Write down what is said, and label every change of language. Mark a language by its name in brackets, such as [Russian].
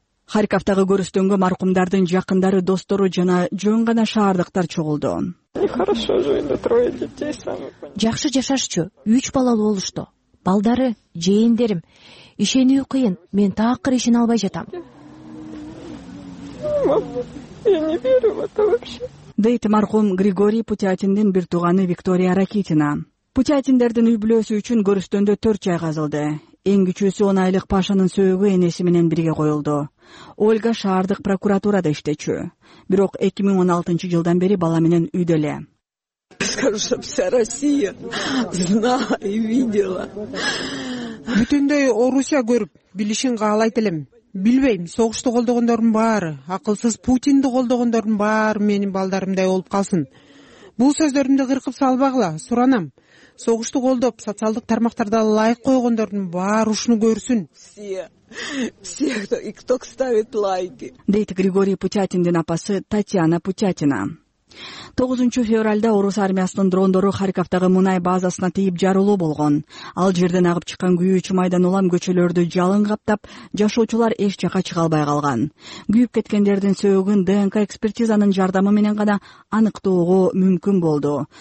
[Kyrgyz] Харьковтагы көрүстөнгө маркумдардын жакындары, достору жана жөн гана шаардыктар чогулду. Жакшы жашашчу, 3 балалуу болушту. Балдары, жээндерим, ишенүү кыйын, мен такыр ишин албай жатам. Дейт маркум Григорий Путятиндин бир тууганы Виктория Ракитина. Путятиндердин үй бүлөсү үчүн көрүстөндө 4 жай казылды. Эң кичүүсү 10 айлык Пашанын сөөгү энеси менен бирге коюлду. Ольга шаардык прокуратурада иштечү. Бирок 2016 жылдан бери бала менен үйдө эле. [Russian] Скажу, что вся Россия знала и видела. [Kyrgyz] Бүтүндөй Орусия көрүп, билишин каалайт элем. Билбейм, согушту колдогондордун баары, акылсыз Путинди колдогондордун баары менин балдарымдай болуп калсын. Бул сөздөрүмдү кыркып салбагыла, суранам. Согушту колдоп, социалдык тармактарда лайк койгондордун баары ушуну көрсүн. Дейт Григорий Путятиндин апасы Татьяна Путятина. 9 февральда орус армиясынын дрондору Харьковтагы мунай базасына тийип жарылуу болгон. Ал жерден агып чыккан күйүүчү майдан улам көчөлөрдү жалын каптап, жашоочулар эч жака чыга албай калган. Күйүп кеткендердин сөөгүн ДНК экспертизанын жардамы менен гана аныктоого мүмкүн болду.